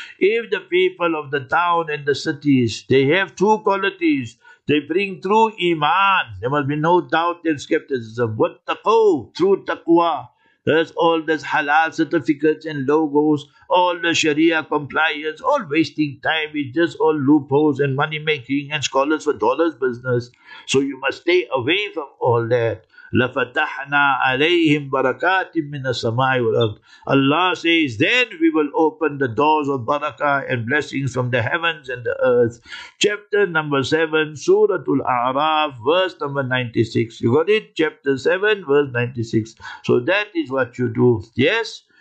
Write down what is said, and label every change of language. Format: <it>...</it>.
<en>If the people of the town and the cities, they have two qualities, they bring true iman, there must be no doubt and skepticism,</en> <ar>وَاتَّقَوْا,</ar> <en>true taqwa, there's all this halal certificates and logos, all the Sharia compliance, all wasting time with just all loopholes and money making and scholars for dollars business. So you must stay away from all that.</en> <ar>لفتحنا عليهم بركات من السماء والأرض.</ar> <en>Allah says, then we will open the doors of barakah and blessings from the heavens and the earth. Chapter number 7, Surah Al-A'raf, verse number 96. You got it? Chapter 7, verse 96. So that is what you do. Yes?</en>